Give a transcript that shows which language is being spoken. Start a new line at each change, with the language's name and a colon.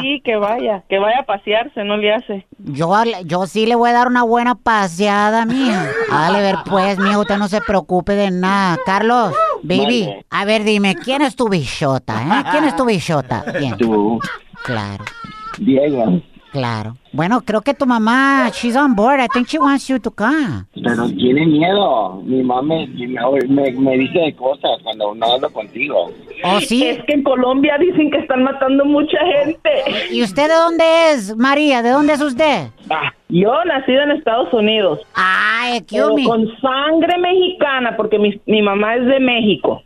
Spanish: Sí, que vaya a pasearse, no le hace. Yo sí le voy a dar una buena paseada, mija. Hágale ver, pues, mijo, usted no se preocupe de nada. Carlos, baby, a ver, dime, ¿quién es tu bichota, ¿Quién es tu bichota? ¿Quién? Tú. Claro. Diego. Claro. Bueno, creo que tu mamá,
English: she's on board. I think she wants you to come.
Spanish: Pero tiene miedo. Mi mamá me dice cosas cuando no hablo contigo. ¿Oh, sí? Es que en Colombia dicen que están matando mucha gente. ¿Y usted de dónde es, María? ¿De dónde es usted? Ah, yo nací en Estados Unidos. Ay, ¿qué hombre? Con sangre mexicana, porque mi mamá es de México.